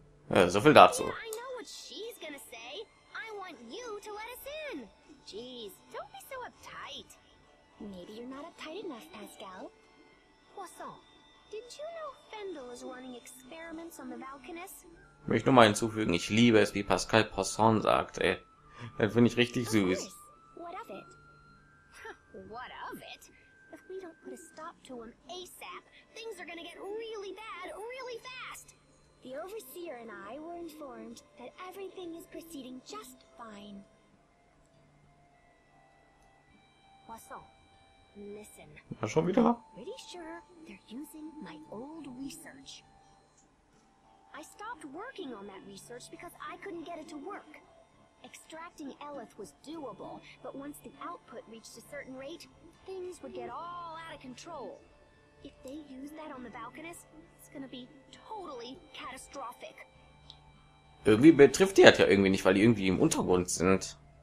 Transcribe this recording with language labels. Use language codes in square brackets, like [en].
[de] Ja, so viel dazu. [en] Yeah, I know what she's gonna say. I want you to let us in. Jeez, don't be so uptight. Maybe you're not uptight enough, Pascal. Poisson, did you know Fendel is running experiments on the Valkyries? [de] Möchte nur mal hinzufügen, ich liebe es, wie Pascal Poisson sagt, ey. Das finde ich richtig süß. [en] What of it? What of it? If we don't put a stop to him ASAP, things are gonna get really bad really fast. The Overseer and I were informed that everything is proceeding just fine. Poisson, listen. [de] Ja, schon wieder. [en] Pretty sure they're using my old research. I stopped working on that research because I couldn't get it to work. Extracting Eleth was doable, but once the output reached a certain rate, things would get all out of control. If they use that on the Valkyries, it's gonna be totally catastrophic. [de] Irgendwie betrifft die halt ja irgendwie nicht, weil die irgendwie im Untergrund sind.